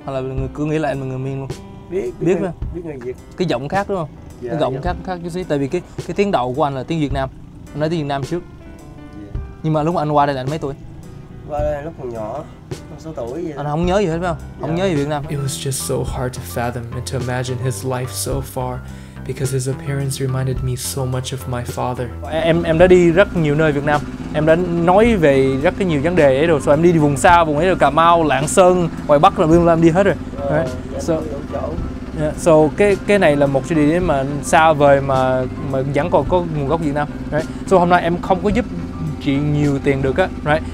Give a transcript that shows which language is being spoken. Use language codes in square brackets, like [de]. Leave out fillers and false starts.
[vi] Hay là người cứ nghĩ là anh là người Miền luôn? Biết mà. Biết người Việt. Cái giọng khác đúng không? Dạ, cái giọng khác chứ gì? Tại vì cái tiếng đầu của anh là tiếng Việt Nam. Anh nói tiếng Việt Nam trước. Dạ. Nhưng mà lúc mà anh qua đây là anh mấy tuổi? Qua đây lúc còn nhỏ, 6 tuổi vậy. Anh không nhớ gì hết phải không? Không nhớ gì Việt Nam. [en] It was just so hard to fathom and to imagine his life so far. Because his appearance reminded me so much of my father. [vi] Em đã đi rất nhiều nơi Việt Nam. Em đã nói về rất nhiều vấn đề ấy rồi. So em đi vùng xa, vùng ấy rồi Cà Mau, Lạng Sơn, ngoài Bắc là luôn em đi hết rồi. [en] Right? So, yeah. [vi] So cái này là một cái địa điểm mà xa vời mà vẫn còn có nguồn gốc Việt Nam. Right? So hôm nay em không có giúp chị nhiều tiền được á, right?